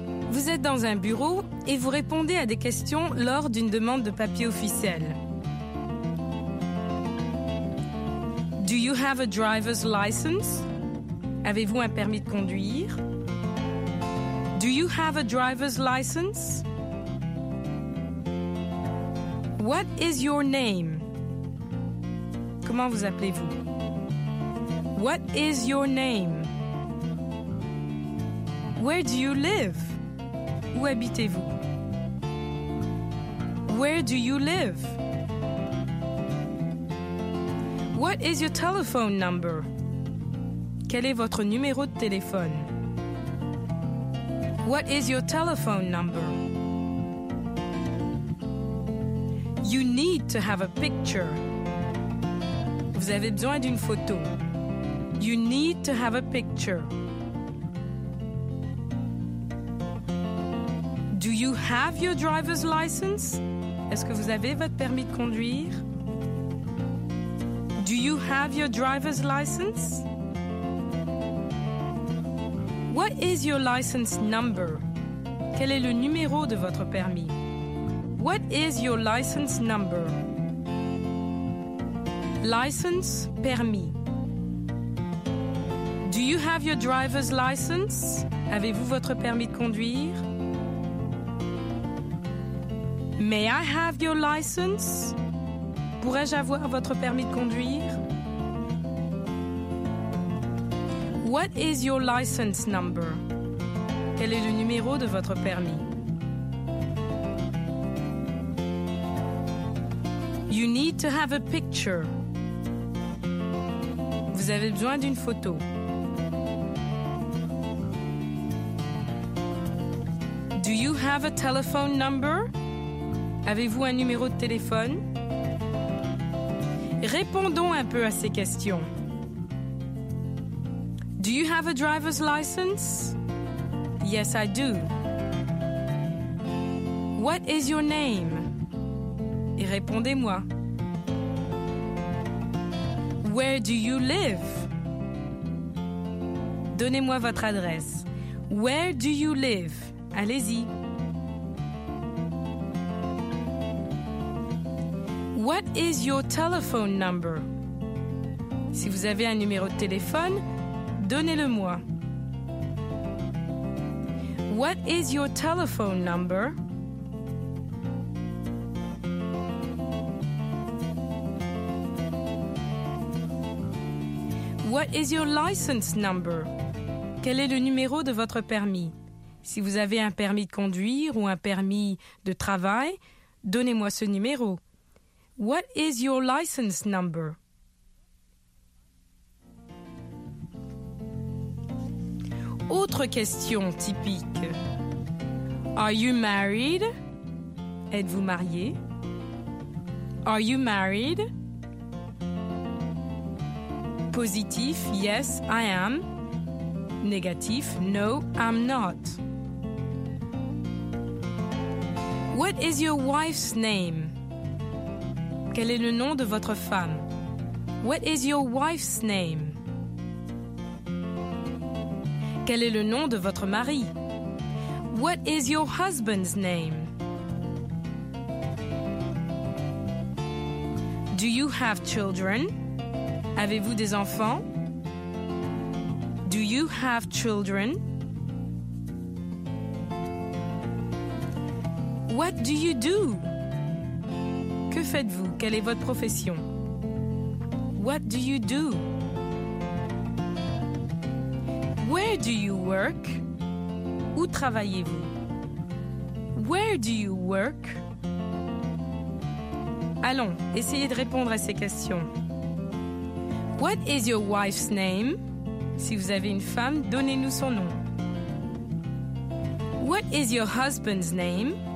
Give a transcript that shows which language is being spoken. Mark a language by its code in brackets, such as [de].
[fr] Vous êtes dans un bureau et vous répondez à des questions lors d'une demande de papier officiel. [en] Do you have a driver's license? [fr] Avez-vous un permis de conduire? [en] Do you have a driver's license? What is your name? [fr] Comment vous appelez-vous? [en] What is your name? Where do you live? [fr] Où habitez-vous? [en] Where do you live? What is your telephone number? [fr] Quel est votre numéro de téléphone? [en] What is your telephone number? You need to have a picture. [fr] Vous avez besoin d'une photo. [en] You need to have a picture. Do you have your driver's license? [fr] Est-ce que vous avez votre permis de conduire? [en] Do you have your driver's license? What is your license number? [fr] Quel est le numéro de votre permis? [en] What is your license number? License, permis. Do you have your driver's license? [fr] Avez-vous votre permis de conduire? [en] May I have your license? [fr] Pourrais-je avoir votre permis de conduire? [en] What is your license number? [fr] Quel est le numéro de votre permis? [en] You need to have a picture. [fr] Vous avez besoin d'une photo. [en] Do you have a telephone number? [fr] Avez-vous un numéro de téléphone? Répondons un peu à ces questions. [en] Do you have a driver's license? Yes, I do. What is your name? [fr] Et répondez-moi. [en] Where do you live? [fr] Donnez-moi votre adresse. [en] Where do you live? [fr] Allez-y. [en] What is your telephone number? [fr] Si vous avez un numéro de téléphone, donnez-le-moi. [en] What is your telephone number? What is your license number? [fr] Quel est le numéro de votre permis? Si vous avez un permis de conduire ou un permis de travail, donnez-moi ce numéro. [en] What is your license number? [fr] Autre question typique. [en] Are you married? [fr] Êtes-vous marié? [en] Are you married? Positif, yes, I am. Négatif, no, I'm not. What is your wife's name? [fr] Quel est le nom de votre femme? [en] What is your wife's name? [fr] Quel est le nom de votre mari? [en] What is your husband's name? Do you have children? [fr] Avez-vous des enfants? [en] Do you have children? What do you do? [fr] Que faites-vous? Quelle est votre profession? [en] What do you do? Where do you work? [fr] Où travaillez-vous? [en] Where do you work? [fr] Allons, essayez de répondre à ces questions. [en] What is your wife's name? [fr] Si vous avez une femme, donnez-nous son nom. [en] What is your husband's name?